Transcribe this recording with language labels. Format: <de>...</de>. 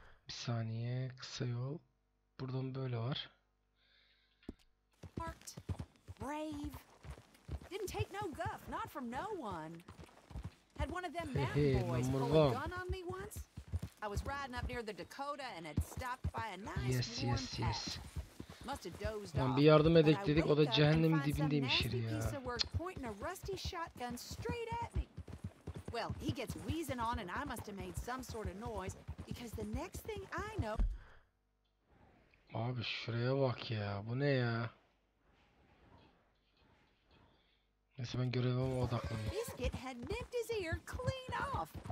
<tr>Bir saniye, kısa yol. Buradan böyle var.</tr> <en>Smart, brave. Didn't take no guff, not from no one. Had one of them mountain boys pull a gun on me once. I was riding up near the Dakota and had stopped by a nice warm patch. Yes, yes, yes. Must have dozed off.</en> <tr>Lan bir yardım edek dedik, o da cehennemin dibindeymiş yeri ya.</tr> <en>Piece of work pointing a rusty shotgun straight at me. Well, he gets wheezing on and I must have made some sort of noise because the next thing I know.</en> <tr>Abi şuraya bak ya, bu ne ya? Neyse ben görevime odaklanayım.</tr> <en>Biscuit had nipped his ear clean off.</en>